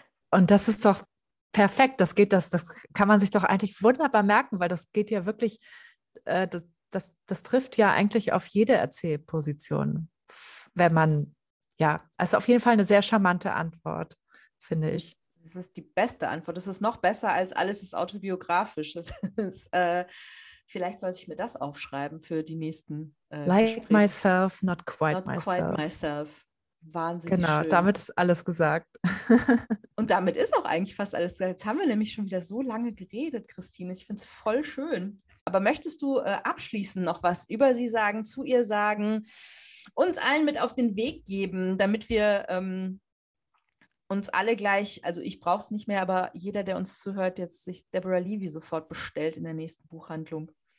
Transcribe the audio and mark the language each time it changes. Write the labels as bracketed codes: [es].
[de] Und das ist doch perfekt, das kann man sich doch eigentlich wunderbar merken, weil das geht ja wirklich, das trifft ja eigentlich auf jede Erzählposition, wenn man, ja, also auf jeden Fall eine sehr charmante Antwort, finde ich. Das ist die beste Antwort, das ist noch besser als alles ist autobiografisch, das ist, vielleicht sollte ich mir das aufschreiben für die nächsten [en] Like myself, not quite myself. Not quite myself. [de] Wahnsinnig schön. Genau, damit ist alles gesagt. Und damit ist auch eigentlich fast alles gesagt. Jetzt haben wir nämlich schon wieder so lange geredet, Christine. Ich finde es voll schön. Aber möchtest du abschließend noch was über sie sagen, zu ihr sagen, uns allen mit auf den Weg geben, damit wir uns alle gleich, also ich brauche es nicht mehr, aber jeder, der uns zuhört, jetzt sich Deborah Levy sofort bestellt in der nächsten Buchhandlung.